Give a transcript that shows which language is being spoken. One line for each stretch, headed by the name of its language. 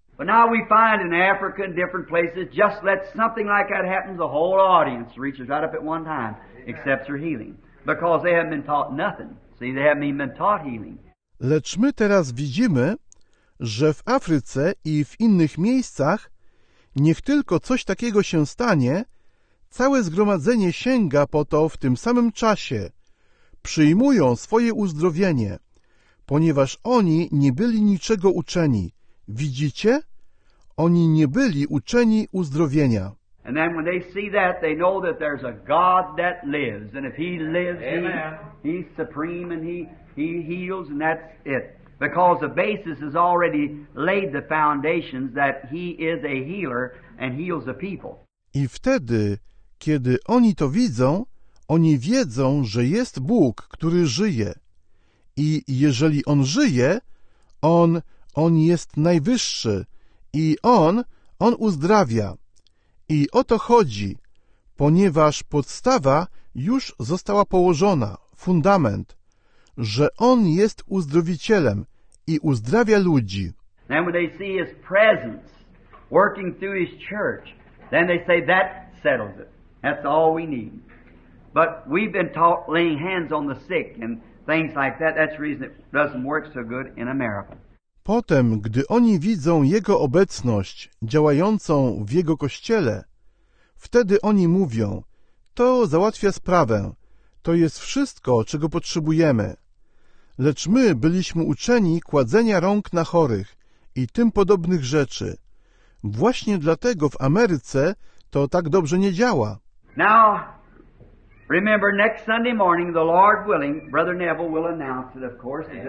English: But now we find in Africa and different places, just let something like that happen, the whole audience reaches right up at one time, accepts her healing. Because they haven't been taught nothing. See, they haven't even been taught healing.
Polish: Lecz my teraz widzimy, że w Afryce i w innych miejscach niech tylko coś takiego się stanie, całe zgromadzenie sięga po to w tym samym czasie. Przyjmują swoje uzdrowienie, ponieważ oni nie byli niczego uczeni. Widzicie? Oni nie byli uczeni uzdrowienia.
English: And then when they see that, they know that there's a God that lives. And if he lives, he's supreme and he heals, and that's it. Because the basis is already laid, the foundations, that he is a healer and heals the people.
Polish: I wtedy, kiedy oni to widzą, oni wiedzą, że jest Bóg, który żyje. I jeżeli on żyje, on jest najwyższy i on uzdrawia. I o to chodzi, ponieważ podstawa już została położona, fundament, że on jest uzdrowicielem i uzdrawia ludzi.
English: And when they see his presence working through his church, then they say that settles it. That's all we need. But we've been taught laying hands on the sick and things like that. That's the reason it doesn't work so good in America.
Polish: Potem, gdy oni widzą jego obecność działającą w jego kościele, wtedy oni mówią: to załatwia sprawę, to jest wszystko, czego potrzebujemy. Lecz my byliśmy uczeni kładzenia rąk na chorych i tym podobnych rzeczy. Właśnie dlatego w Ameryce to tak dobrze nie działa.
English: Now, remember, next Sunday morning, the Lord willing, Brother Neville will announce it, of course.